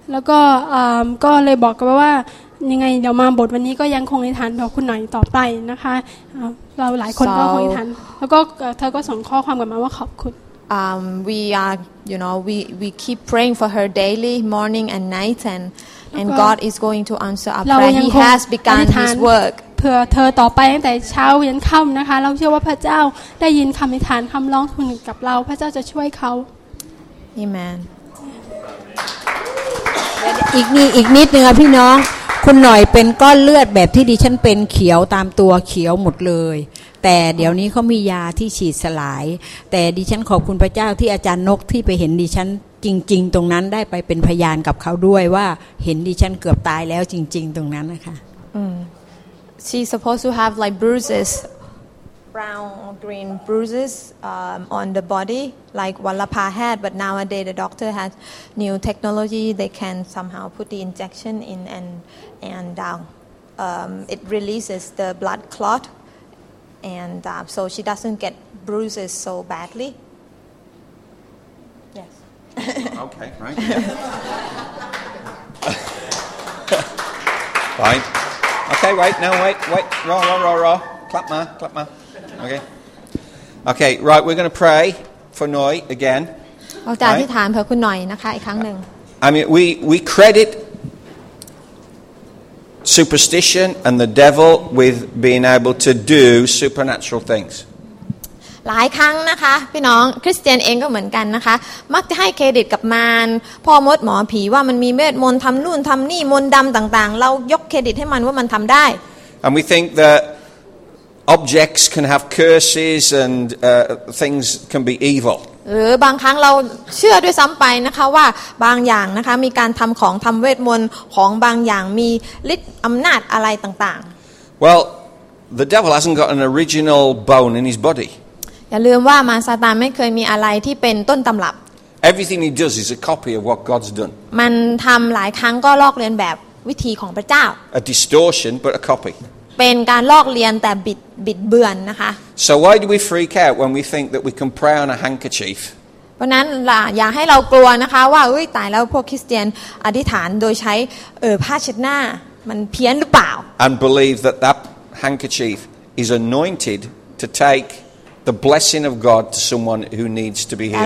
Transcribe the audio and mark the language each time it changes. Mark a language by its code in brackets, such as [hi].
[th] แล้วก็ก็เลยบอกกับว่ายังไงเดี๋ยวมาบทวันนี้ก็ยังคงอธิษฐานต่อคุณหน่อยต่อไปนะคะเราหลายคนก็คงอธิษฐานแล้วก็เธอก็ส่งข้อความกลับมาว่าขอบคุณ [en] We are you know we keep praying for her daily morning and night and God is going to answer our prayer He has begun His work [th] เพื่อเธอต่อไปตั้งแต่เช้าเย็นค่ำนะคะเราเชื่อว่าพระเจ้าได้ยินคำอธิษฐานคำร้องทูลกับเราพระเจ้าจะช่วยเขา อาเมน อีกนี่อีกนิดนึงอ่ะพี่น้องคุณหน่อยเป็นก้อนเลือดแบบที่ดิฉันเป็นเขียวตามตัวเขียวหมดเลยแต่เดี๋ยวนี้เขามียาที่ฉีดสลายแต่ดิฉันขอบคุณพระเจ้าที่อาจารย์นกที่ไปเห็นดิฉันจริงๆตรงนั้นได้ไปเป็นพยานกับเขาด้วยว่าเห็นดิฉันเกือบตายแล้วจริงๆตรงนั้นนะคะ [en] She's supposed to have like bruises, brown or green bruises on the body, like Wallapa had. But nowadays, the doctor has new technology. They can somehow put the injection in and it releases the blood clot. And so she doesn't get bruises so badly. Yes. Okay, right. Yeah. Fine. Okay, right, now wait, raw. Clap ma. Okay. Okay, right, we're going to pray for Noi again. Right? I mean, we credit superstition and the devil with being able to do supernatural things. [th] หลายครั้งนะคะพี่น้องคริสเตียนเองก็เหมือนกันนะคะมักจะให้เครดิตกับมารพ่อมดหมอผีว่ามันมีเวทมนต์ทำนู่นทำนี่มนต์ดำต่างๆเรายกเครดิตให้มันว่ามันทำได้ [en] And we think that objects can have curses and things can be evil [th] หรือบางครั้งเราเชื่อด้วยซ้ำไปนะคะว่าบางอย่างนะคะมีการทำของทำเวทมนต์ของบางอย่างมีฤทธิ์อำนาจอะไรต่าง [en] ๆ Well the devil hasn't got an original bone in his body [th] อย่าลืมว่ามารซาตานไม่เคยมีอะไรที่เป็นต้นตำรับ [en] Everything he does is a copy of what God's done [th] มันทำหลายครั้งก็ลอกเลียนแบบวิธีของพระเจ้า [en] A distortion but a copy [th] เป็นการลอกเลียนแต่บิดเบือนนะคะ [en] So why do we freak out when we think that we can pray on a handkerchief [th] เพราะนั้นอย่าให้เรากลัวนะคะว่าอุ๊ยตายแล้วพวกคริสเตียนอธิษฐานโดยใช้ผ้าเช็ดหน้ามันเพี้ยนหรือเปล่า [en] And believe that that handkerchief is anointed to takeThe blessing of God to someone who needs to be healed.